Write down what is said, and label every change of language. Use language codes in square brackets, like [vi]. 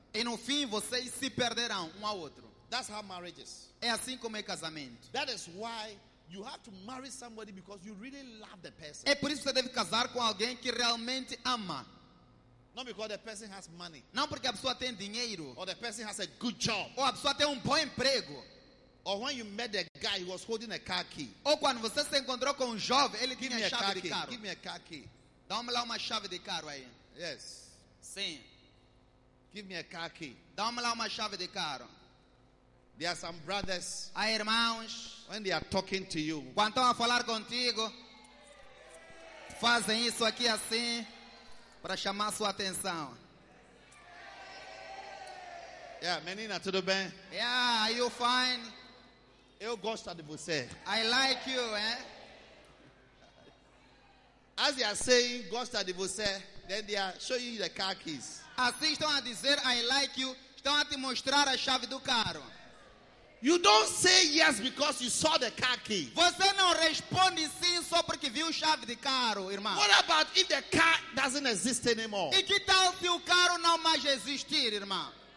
[pt] E no fim, vocês se perderão ao outro. [en] That's how marriages. [pt] É assim como é casamento. [en] That is why you have to marry somebody because you really love the person. [pt] É por isso que você deve casar com alguém que realmente ama. [en] Not because the person has money. [pt] Não porque a pessoa tem dinheiro. [en] Or the person has a good job. [pt] Ou a pessoa tem bom emprego. [en] Or when you met a guy who was holding a car key. [pt] Ou quando você se encontrou com jovem, ele tinha chave de carro. [en] Give me a car key. [pt] Dá-me lá uma chave de carro aí. [en] Yes. [pt] Sim. [en] Give me a car key. [pt] Dá-me lá uma chave de carro. [en] There are some brothers. [pt] Há irmãos. [en] When they are talking to you. [pt] Quando estão a falar contigo, fazem isso aqui assim para chamar sua atenção. Yeah, menina, tudo bem? [en] Yeah, are you fine? [pt] Eu gosto de você. [en] I like you, eh? As they are saying, [pt] gosta de você, [en] then they are showing you the car keys. [pt] Assim estão a dizer, [en] I like you, [pt] estão a te mostrar a chave do carro. [en] You don't say yes because you saw the car key. [pt] Você não responde sim só porque viu a chave de carro, irmão. [en] What about if the car doesn't exist anymore? [pt] E que tal se o carro não mais existir, irmão?